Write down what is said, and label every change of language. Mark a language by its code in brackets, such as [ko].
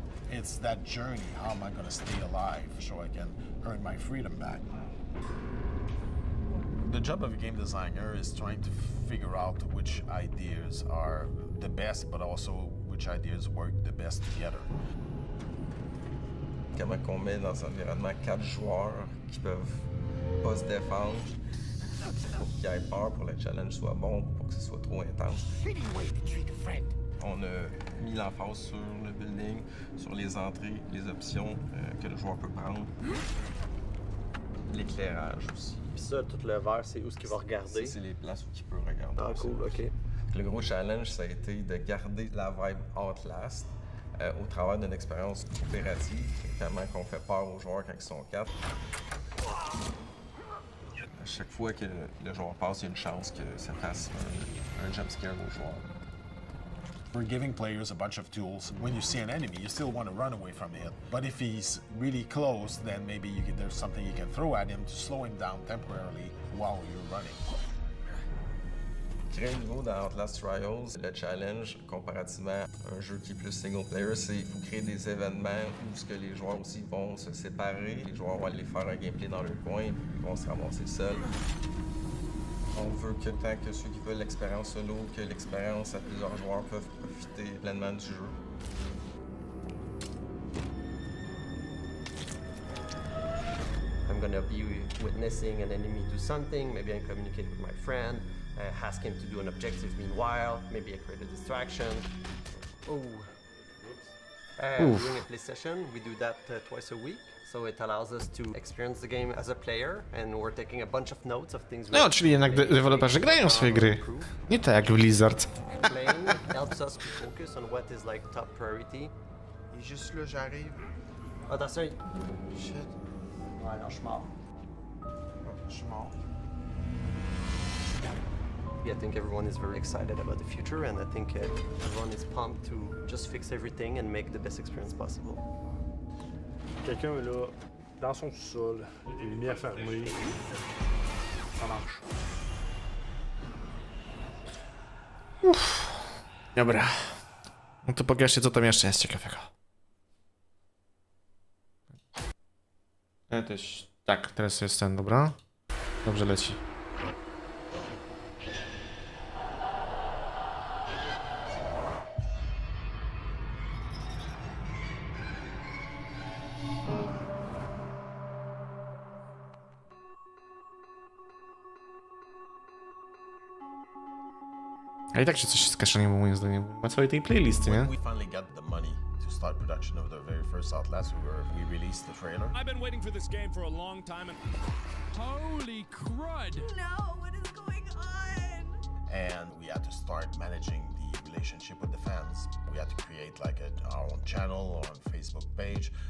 [en] It's that journey, how am I gonna stay alive so I can earn my freedom back? The job of a game designer is trying to figure out which ideas are the best, but also which ideas work the best together. [fr] Comment qu'on met dans un environnement quatre joueurs qui peuvent pas se défendre pour qu'il y ait peur, pour que le challenge soit bon, pour que ce soit trop intense. On a mis l'emphase sur le building, sur les entrées, les options que le joueur peut prendre. L'éclairage aussi. Pis ça, tout le vert, c'est où ce qu'il va regarder? C'est les places où il peut regarder. Ah, cool, OK. Le gros challenge, ça a été de garder la vibe Outlast au travers d'une expérience coopérative. Comment qu'on fait peur aux joueurs quand ils sont quatre. À chaque fois que le joueur passe, il y a une chance que ça fasse un jumpscare aux joueurs. [en] We're giving players a bunch of tools. When you see an enemy, you still want to run away from him. But if he's really close, then maybe there's something you can throw at him to slow him down temporarily while you're running. [fr] Créer un niveau dans Outlast Trials, le challenge comparativement à un jeu qui est plus single player, c'est qu'il faut créer des événements où ce que les joueurs aussi vont se séparer. Les joueurs vont aller faire un gameplay dans leur coin, puis ils vont se ramasser seuls. On veut que tant que ceux qui veulent l'expérience solo, que l'expérience à plusieurs joueurs peuvent profiter pleinement du jeu. [en] I'm gonna be witnessing an enemy do something, maybe I'm communicating with my friend, ask him to do an objective meanwhile, maybe I create a distraction. Oh. During a play session, we do that twice a week, so it allows us to experience the game as a player, and we're taking a bunch of notes of things. [pl] No, czyli jednak deweloperzy grają swoje gry. Nie tak jak Blizzard. [en] Playing helps us to focus on what is like top priority. [fr] Et juste là, j'arrive. [en] Oh, that's right. Shit. [fr] Ouais, non, je suis mort. [en] Yeah, I think everyone is very excited about the future, and I think everyone is pumped to just fix everything and make the best experience possible. [fr] Quelqu'un est là, dans son sous-sol, les lumières fermées. Ça marche. [pl] Ouf. Dobra. No to pokażcie, co tam jeszcze jest ciekawego. Tak, teraz jest ten, dobra. Dobrze leci. A i tak się coś z kaszaniem, moim zdaniem, ma całej tej playlisty, nie? [en] We finally got the money to start production of the very first Outlast, we released the trailer. I've been waiting for this game for a long time and... Holy crud! No, what is going on? And we had to start managing the relationship with the fans. We had to create like our own channel or a Facebook page.